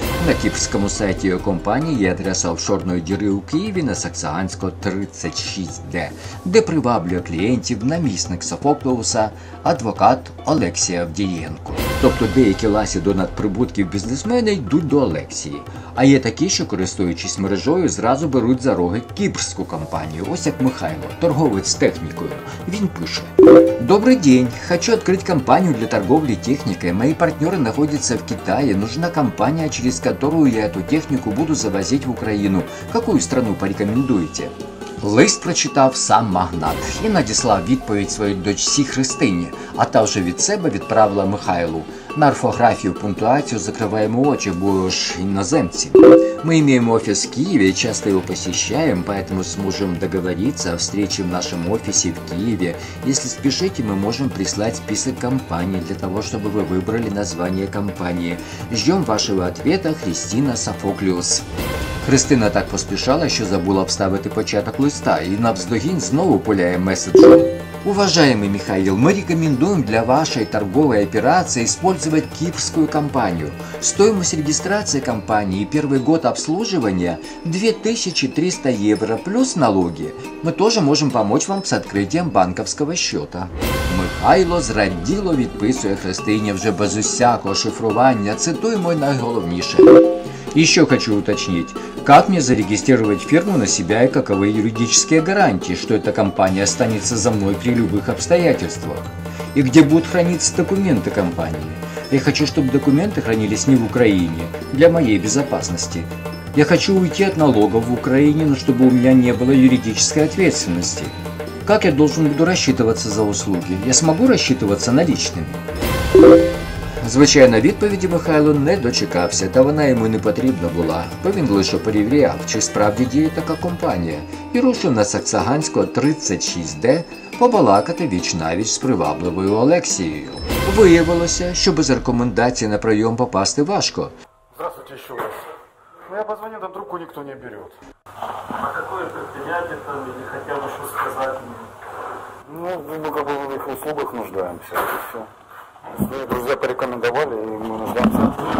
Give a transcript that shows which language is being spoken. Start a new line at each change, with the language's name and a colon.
Ukrainian: На кіпському сайті його компанії є адреса офшорної діри у Києві на Саксаганського 36Д, де приваблює клієнтів намісник Софокліуса адвокат Олексія Авдієнко. Тобто деякі ласі до надприбутків бізнесмени йдуть до Олексії. А є такі, що користуючись мережою, зразу беруть за роги кіпрську компанію. Ось як Михайло, торговець технікою. Він пише.
Russian: Добрий день, хочу открыть компанию для торговли техникой. Мои партнеры находятся в Китае. Нужна компания, через которую я эту технику буду завозить в Украину. Какую страну порекомендуете?
Ukrainian: Лист прочитав сам магнат і надіслав відповідь своїй дочці Христині, а та вже від себе відправила Михайлу. На орфографію, пунктуацію закриваємо очі, бо ж іноземці. Ми маємо офіс в Києві і часто його посещаємо, тому зможемо договоритися о встрічі в нашому офісі в Києві. Якщо спішите, ми можемо прислати список компаній для того, щоб ви вибрали названня компанії. Ждемо вашого відповіді, Христина Софокліус. Христина так поспішала, що забула вставити початок листа, і навздогін знову пуляє меседжем.
Russian: Уважаемый Михаил, мы рекомендуем для вашей торговой операции использовать кипрскую компанию. Стоимость регистрации компании и первый год обслуживания – 2300 евро плюс налоги. Мы тоже можем помочь вам с открытием банковского счета.
Ukrainian: Михайло зраділо відписує Христині вже без усякого шифрування, цитуємо найголовніше.
Russian: Еще хочу уточнить, как мне зарегистрировать фирму на себя и каковы юридические гарантии, что эта компания останется за мной при любых обстоятельствах? И где будут храниться документы компании? Я хочу, чтобы документы хранились не в Украине, для моей безопасности. Я хочу уйти от налогов в Украине, но чтобы у меня не было юридической ответственности. Как я должен буду рассчитываться за услуги? Я смогу рассчитываться наличными?
Ukrainian: Звичайно, відповіді Михайло не дочекався, та вона йому не потрібна була, бо він лише перевіряв, чи справді діє така компанія, і рушив на Саксаганського 36Д побалакати віч-навіч з привабливою Олексією. Виявилося, що без рекомендацій на прийом попасти важко.
Russian: Здравствуйте,
Ukrainian: ще раз.
Russian: Ну я позвоню,
Ukrainian: там трубку ніхто не бере.
Russian: А какое предприятие там, или хотел бы что-то сказать? Ну, мы как бы в их услугах нуждаемся, это все. Мы друзья порекомендовали, и мы нуждаемся.